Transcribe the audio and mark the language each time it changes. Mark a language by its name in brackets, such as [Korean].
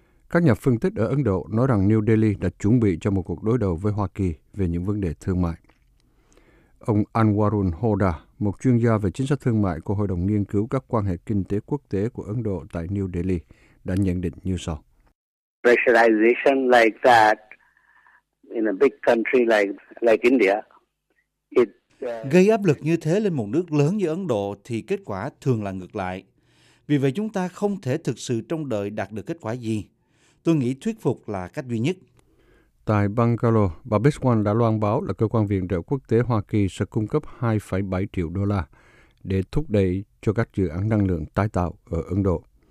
[Vietnamese] Các nhà phân tích ở Ấn Độ nói rằng New Delhi đã chuẩn bị cho một cuộc đối đầu với Hoa Kỳ về những vấn đề thương mại. Ông Anwarul Hoda, một chuyên gia về chính sách thương mại của Hội đồng Nghiên cứu các quan hệ kinh tế quốc tế của Ấn Độ tại New Delhi, đã nhận định như sau. [English] Pressurization like that in a big country like India, [Vietnamese] gây áp lực như thế lên một nước lớn như Ấn Độ thì kết quả thường là ngược lại. Vì vậy chúng ta không thể thực sự trông đợi đạt được kết quả gì. Tôi nghĩ thuyết phục là cách duy nhất. Tại Bangalore, bà Biswan đã loan báo là cơ quan viện trợ quốc tế Hoa Kỳ sẽ cung cấp 2,7 triệu đô la để thúc đẩy cho các dự án năng lượng tái tạo ở Ấn Độ.